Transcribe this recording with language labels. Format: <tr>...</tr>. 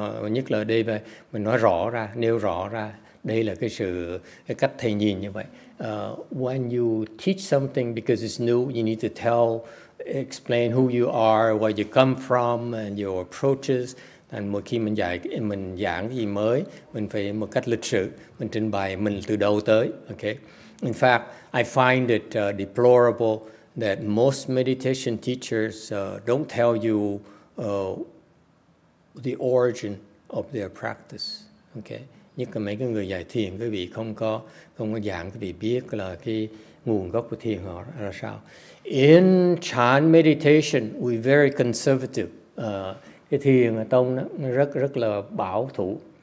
<vi>Nhất là đây về mình nói rõ ra, nêu rõ ra. Đây là cái cách thầy nhìn như vậy.</vi> <en>When you teach something because it's new, you need to explain who you are, where you come from, and your approaches.</en> <vi>And mỗi khi mình giảng gì mới, mình phải một cách lịch sử, mình trình bày mình từ đâu tới. Okay.</vi> <en>In fact, I find it deplorable that most meditation teachers don't tell you the origin of their practice. Okay.</en> <vi>Nhất là mấy cái người dạy thiền, quý vị không có giảng, quý vị biết là cái nguồn gốc của thiền họ là sao.</vi> <en>In Chan meditation, we very conservative.</en> <vi>Cái thiền ở tông đó, nó rất rất là bảo thủ.</vi>